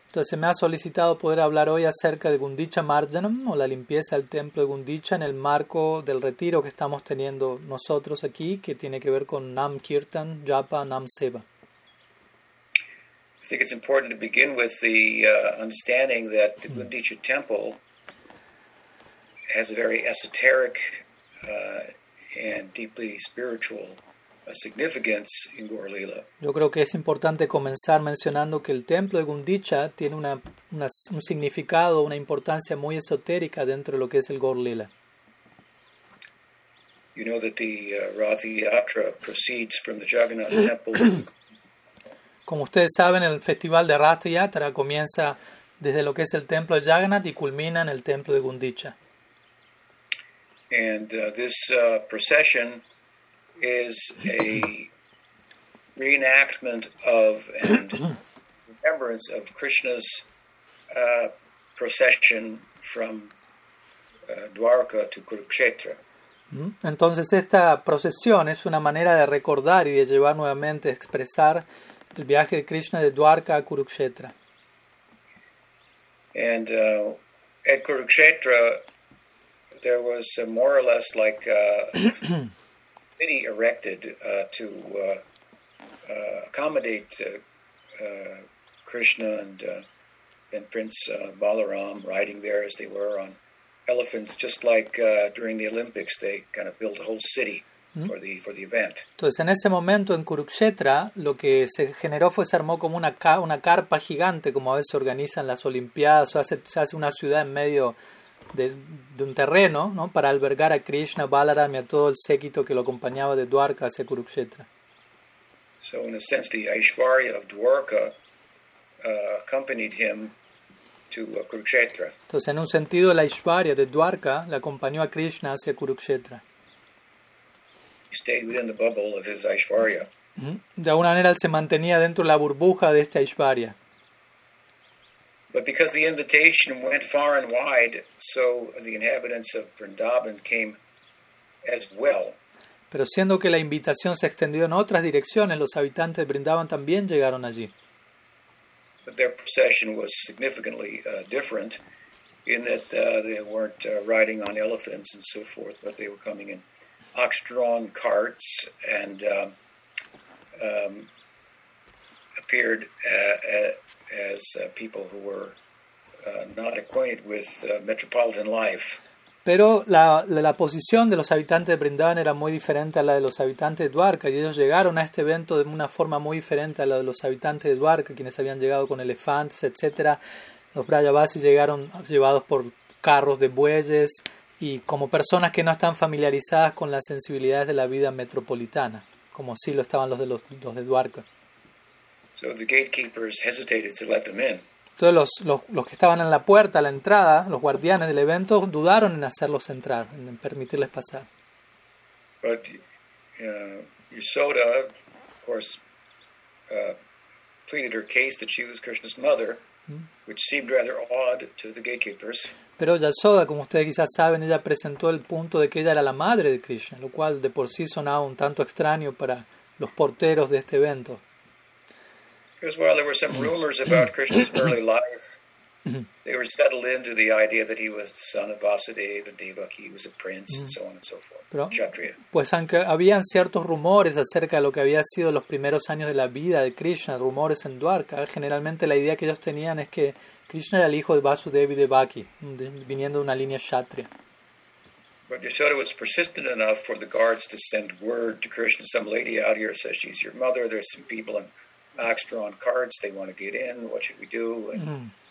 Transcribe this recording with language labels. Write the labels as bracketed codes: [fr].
[es] Entonces se me ha solicitado poder hablar hoy acerca de Gundica Marjanam o la limpieza del templo de Gundica en el marco del retiro que estamos teniendo nosotros aquí, que tiene que ver con Nam Kirtan, Japa, Nam Seva. [en] I think it's important to begin with the understanding that the Gundica temple has a very esoteric and deeply spiritual significance in Gaur Lila. [es] Yo creo que es importante comenzar mencionando que el templo de Gundica tiene un significado, una importancia muy esotérica dentro de lo que es el Gaur Lila. [en] You know that the Radha Yatra proceeds from the Jagannath temple. [es] Como ustedes saben, el festival de Radha Yatra comienza desde lo que es el templo de Jagannath y culmina en el templo de Gundica. [en] And this procession is a reenactment of and remembrance of Krishna's procession from Dwarka to Kurukshetra. [es] Entonces esta procesión es una manera de recordar y de llevar nuevamente, expresar el viaje de Krishna de Dwarka a Kurukshetra. [en] And at Kurukshetra, there was a more or less like a city erected to accommodate Krishna and Prince Balaram riding there as they were on elephants, just like during the Olympics, they kind of built a whole city. For the event. [es] Entonces, en ese momento en Kurukshetra, lo que se generó fue se armó como una carpa gigante, como a veces se organizan las Olimpiadas, o se hace una ciudad en medio de un terreno, ¿no? Para albergar a Krishna, Balaram y a todo el séquito que lo acompañaba de Dwarka hacia Kurukshetra. [en] So, in a sense, the Aishwarya of Dwarka accompanied him to Kurukshetra. [es] Entonces, en un sentido, la Aishwarya de Dwarka le acompañó a Krishna hacia Kurukshetra. [en] Stayed within the bubble of his Aishwarya. [es] De alguna manera se mantenía dentro de la burbuja de este Aishwarya. [en] But because the invitation went far and wide, so the inhabitants of Vrindavan came as well. [es] Pero siendo que la invitación se extendió en otras direcciones, los habitantes de Vrindavan también llegaron allí. [en] But their procession was significantly different in that they weren't riding on elephants and so forth, but they were coming in ox-drawn carts and appeared as people who were not acquainted with metropolitan life. [es] Pero la posición de los habitantes de Vrindavan era muy diferente a la de los habitantes de Dwarka, y ellos llegaron a este evento de una forma muy diferente a la de los habitantes de Dwarka, quienes habían llegado con elefantes, etc. Los Brajavasis llegaron llevados por carros de bueyes, y como personas que no están familiarizadas con las sensibilidades de la vida metropolitana, como sí lo estaban los de Dwarka. [en] So the gatekeepers hesitated to let them in. [es] Entonces los que estaban en la puerta, a la entrada, los guardianes del evento, dudaron en hacerlos entrar, en permitirles pasar. [en] But Yasoda, of course, pleaded her case that she was Krishna's mother. which seemed rather odd to the gatekeepers. [es] Pero Yashoda, como ustedes quizás saben, ella presentó el punto de que ella era la madre de Krishna, lo cual de por sí sonaba un tanto extraño para los porteros de este evento. [en] Because, well, there were some rumors about Krishna's early life. They were settled into the idea that he was the son of Vasudeva and Devaki, he was a prince, and so on and so forth. [es] Pero, Kshatriya. Pues aunque habían ciertos rumores acerca de lo que había sido los primeros años de la vida de Krishna, rumores en Dwarka, generalmente la idea que ellos tenían es que Krishna era el hijo de Vasudeva y Devaki, viniendo de una línea Kshatriya. [en] But Yashoda was persistent enough for the guards to send word to Krishna, some lady out here says she's your mother, there's some people in Axtron carts, they want to get in, what should we do?